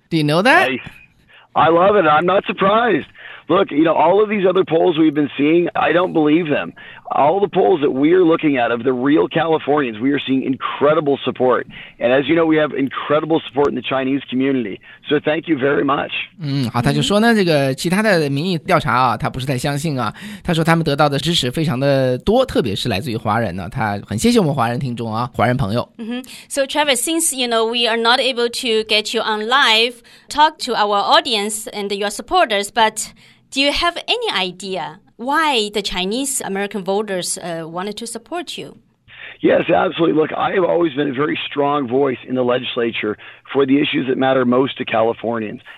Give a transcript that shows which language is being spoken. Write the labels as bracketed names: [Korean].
[English] Do you know that? I love it. I'm not surprised. Look, you know, all of these other polls we've been seeing, I don't believe them. All the polls that we're looking at of the real Californians, we are seeing incredible support. And as you know, we have incredible support in the Chinese community. So thank you very much. [Chinese] 好，他就说呢，这个其他的民意调查啊，他不是太相信啊。他说他们得到的支持非常的多，特别是来自于华人呢，他很谢谢我们华人听众啊，华人朋友。 [English] So Travis, since you know we are not able to get you on live, talk to our audience and your supporters, but do you have any idea? Why the Chinese American voters wanted to support you? Yes, absolutely. Look, I have always been a very strong voice in the legislature for the issues that matter most to Californians.